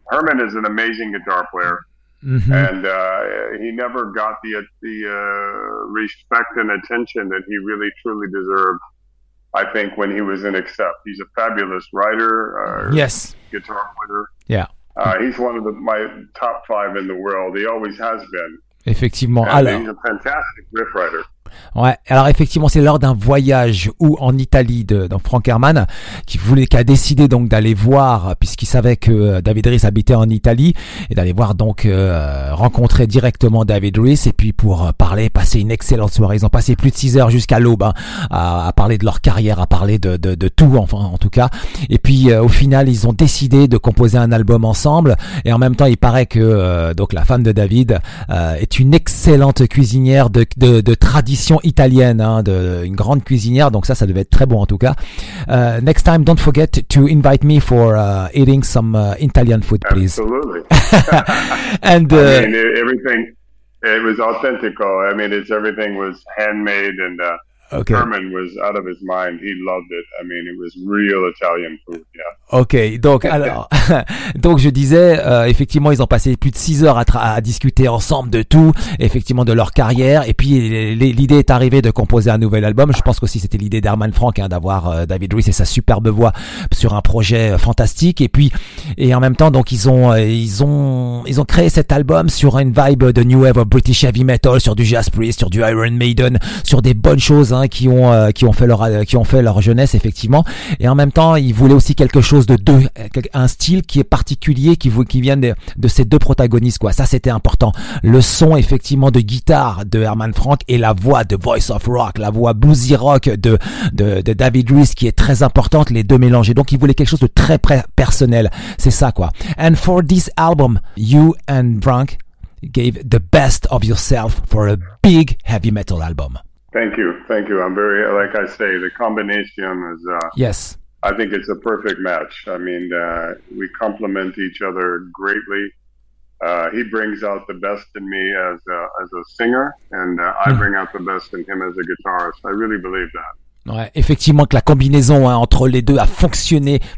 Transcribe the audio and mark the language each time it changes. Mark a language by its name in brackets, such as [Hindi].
[English] Herman is an amazing guitar player, mm-hmm. and he never got the respect and attention that he really, truly deserved, I think, when he was in Accept. He's a fabulous writer, yes, guitar player. Yeah. He's one of my top five in the world. He always has been. [French] Effectivement. Alors, [English] he's a fantastic riff writer. [French] Ouais, alors effectivement, c'est lors d'un voyage où en Italie de Frank Herman qui a décidé donc d'aller voir, puisqu'il savait que David Rees habitait en Italie, et d'aller voir donc rencontrer directement David Rees, et puis pour parler, passer une excellente soirée. Ils ont passé plus de 6 heures jusqu'à l'aube hein, à parler de leur carrière, à parler de tout, enfin en tout cas. Et puis au final, ils ont décidé de composer un album ensemble, et en même temps, il paraît que donc la femme de David est une excellente cuisinière de tradition italienne, hein, une grande cuisinière, donc ça devait être très bon en tout cas. [English] Next time, don't forget to invite me for eating some Italian food, please. Absolutely. And I mean, everything, it was authentical. I mean, it's everything was handmade, and okay. Herman was out of his mind. He loved it. I mean, it was real Italian food. Yeah. [French] Ok, donc alors, donc je disais, effectivement, ils ont passé plus de 6 heures à discuter ensemble de tout, effectivement, de leur carrière. Et puis l'idée est arrivée de composer un nouvel album. Je pense qu'aussi c'était l'idée d'Herman Frank hein, d'avoir David Rees et sa superbe voix sur un projet fantastique. Et puis et en même temps, donc ils ont créé cet album sur une vibe de New Wave of British Heavy Metal, sur du Judas Priest, sur du Iron Maiden, sur des bonnes choses hein, qui ont fait leur jeunesse effectivement. Et en même temps, ils voulaient aussi quelque chose de deux, un style qui est particulier, qui vient de ces deux protagonistes, quoi. Ça, c'était important. Le son, effectivement, de guitare de Herman Frank et la voix de Voice of Rock, la voix bluesy rock de David Rees, qui est très importante, les deux mélangés. Donc, il voulait quelque chose de très personnel. C'est ça, quoi. [English] And for this album, you and Frank gave the best of yourself for a big heavy metal album. Thank you. I'm very, like I say, the combination is... Yes. I think it's a perfect match. I mean, we complement each other greatly. He brings out the best in me as a singer, and I bring out the best in him as a guitarist. I really believe that. [French] Ouais, effectivement, que la combinaison hein, entre les deux a fonctionné